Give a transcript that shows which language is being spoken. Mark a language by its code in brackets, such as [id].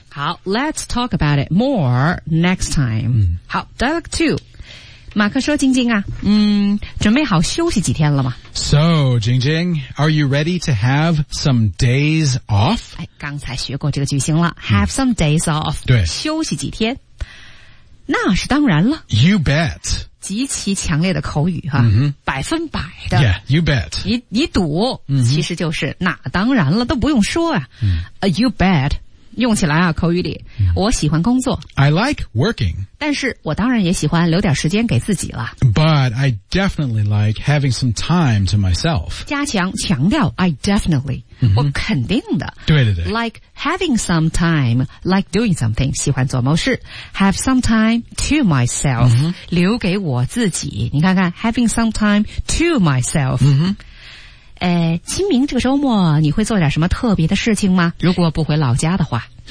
[en] 好 let's talk about it more next time.、好 dialogue 2. [zh] 马克说晶晶啊准备好休息几天了吗 [en] So, 晶晶 are you ready to have some days off? [zh] 哎刚才学过这个句型了、 [en] have some days off. [zh] 对。休息几天。那是当然了 [en] You bet [zh] 极其强烈的口语哈、百分百的 [en] Yeah, you bet [zh] 你赌、其实就是那当然了都不用说啊、 [en] You bet [zh] 用起来啊口语里、我喜欢工作 [en] I like working [zh] 但是我当然也喜欢留点时间给自己了 [en] But I definitely like having some time to myself [zh] 加强强调 [en] I definitely、 [zh] 我肯定的对对对 [en] Like having some time Like doing something [zh] 喜欢做某事 Have some time to myself、留给我自己你看看 [en] Having some time to myself、 [zh] 清明这个周末你会做点什么特别的事情吗如果不回老家的话